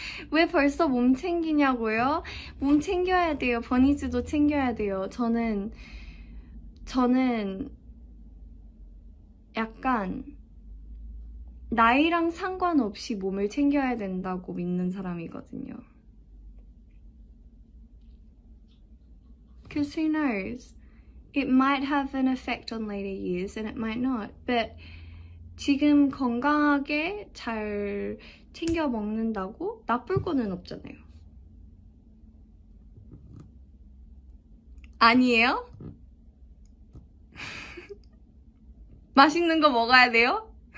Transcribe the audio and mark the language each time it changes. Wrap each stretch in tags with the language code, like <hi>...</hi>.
<ko>왜 벌써 몸 챙기냐고요? 몸 챙겨야 돼요. 버니즈도 챙겨야 돼요. 저는 약간 나이랑 상관없이 몸을 챙겨야 된다고 믿는 사람이거든요.</ko> <en>'Cause who knows? It might have an effect on later years and it might not. But</en> <ko>지금 건강하게 잘 챙겨 먹는다고 나쁠 거는 없잖아요. 아니에요? 맛있는 거 먹어야 돼요?</ko>